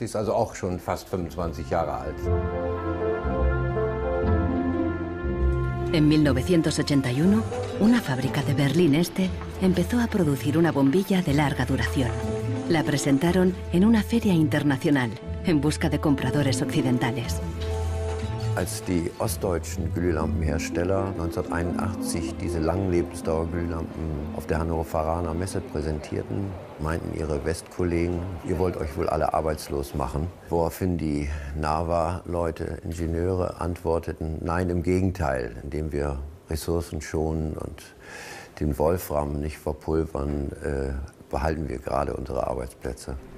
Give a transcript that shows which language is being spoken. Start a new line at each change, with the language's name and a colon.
German: Die ist also auch schon fast 25 Jahre alt.
Spanish: En 1981, una fábrica de Berlín Este empezó a producir una bombilla de larga duración. La presentaron en una feria internacional en busca de compradores occidentales.
German: Als die ostdeutschen Glühlampenhersteller 1981 diese langen Lebensdauerglühlampen auf der Hannoveraner Messe präsentierten, meinten ihre Westkollegen, ihr wollt euch wohl alle arbeitslos machen. Woraufhin die NAVA-Leute, Ingenieure, antworteten, nein, im Gegenteil, indem wir Ressourcen schonen und den Wolfram nicht verpulvern, behalten wir gerade unsere Arbeitsplätze.